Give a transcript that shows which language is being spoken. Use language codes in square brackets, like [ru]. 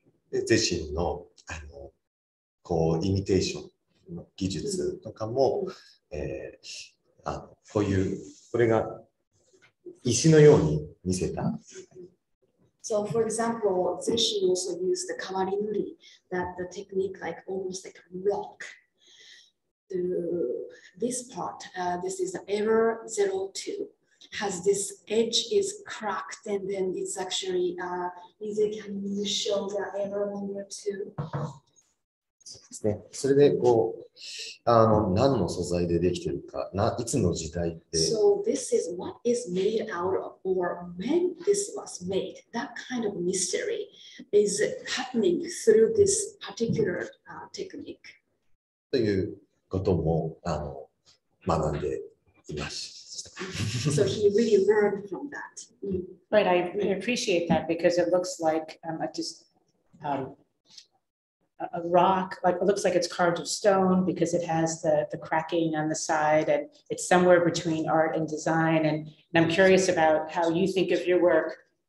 [ja] ゼシンの、あの、こう、イミテーションの技術とかも、あの、こういう、これが石のように見せた。 [en] So for example, ゼシン also used the kawari nuri, that the technique like almost like rock. To this part, this is the error 02. Has this edge is cracked, and then it's actually easy. Can you show the error number 2? [ja] ですね。それでこう、あの、何の素材でできてるか、いつの時代で。 [en] So this is what is made out of, or when this was made. That kind of mystery is happening through this particular technique. [ja] という。こともあの学んでいました。 [en] So he really learned from that. Right, I appreciate that because it looks like a rock, like it looks like it's carved of stone because it has the cracking on the side and it's somewhere between art and design. And I'm curious about how you think of your work